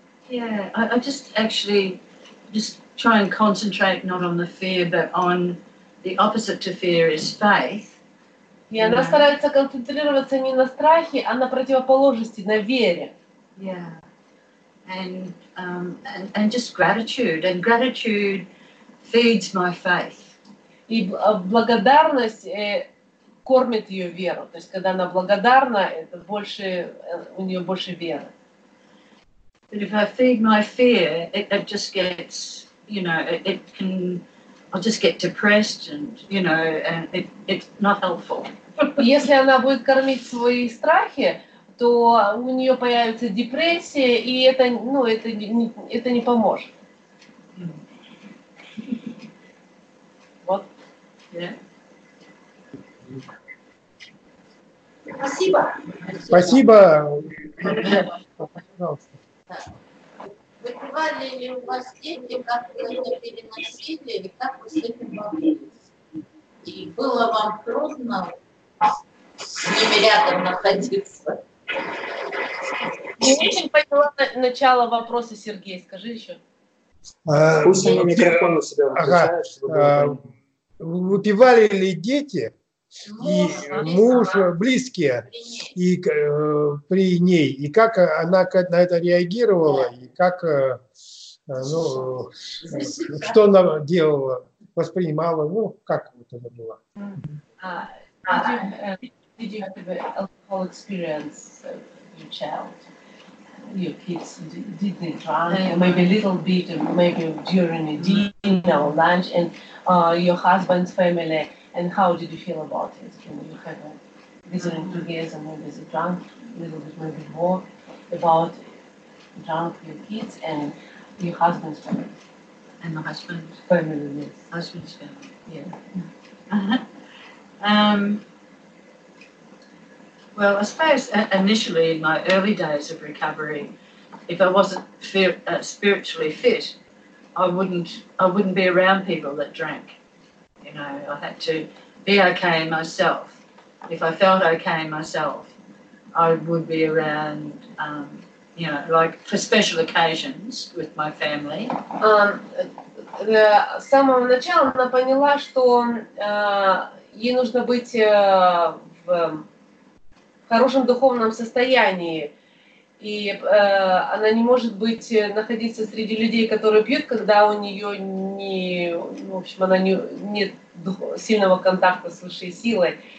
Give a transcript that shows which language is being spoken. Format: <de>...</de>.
<en>I just actually just try and concentrate not on the fear, but on the opposite to fear is faith.</en> <ru>И она старается концентрироваться не на страхе, а на противоположности, на вере.</ru> <en>And just gratitude, and gratitude feeds my faith.</en> <ru>И благодарность кормит ее веру. То есть, когда она благодарна, это больше у нее больше веры.</ru> <en>But if I feed my fear, it just gets, you know, it can. I'll just get depressed, and you know, and it's not helpful.</en> <ru>Если она будет кормить свои страхи, то у нее появится депрессия, и это, ну, это не поможет. Вот. Спасибо. Спасибо. Пожалуйста. Бывали ли у вас дети, как вы это переносили, или как вы с этим боролись? И было вам трудно с ними рядом находиться? Не очень поняла начало вопроса, Сергей. Скажи еще. Пусть на микрофон у себя выключаешь. Выпивали ли дети и муж, близкие и при ней? И как она на это реагировала? И как, ну, что она делала, воспринимала? Ну, как вот она была?</ru> <en>Did you have an alcohol experience, your child, your kids, did they drink, maybe a little bit, maybe during a dinner or lunch, and your husband's family, and how did you feel about it? Can you have a visiting together, maybe they drank a little bit, maybe more, about drunk your kids and your husband's family? And my husband's family, yes. Husband's family. Yeah. Well, I suppose initially in my early days of recovery, if I wasn't spiritually fit, I wouldn't be around people that drank. You know, I had to be okay in myself. If I felt okay in myself, I would be around, you know, like for special occasions with my family.</en> <ru>С самого начала она поняла, что ей нужно быть в хорошем духовном состоянии. И она не может быть находиться среди людей, которые пьют, когда у нее не, в общем, она не, нет сильного контакта с высшей силой.</ru>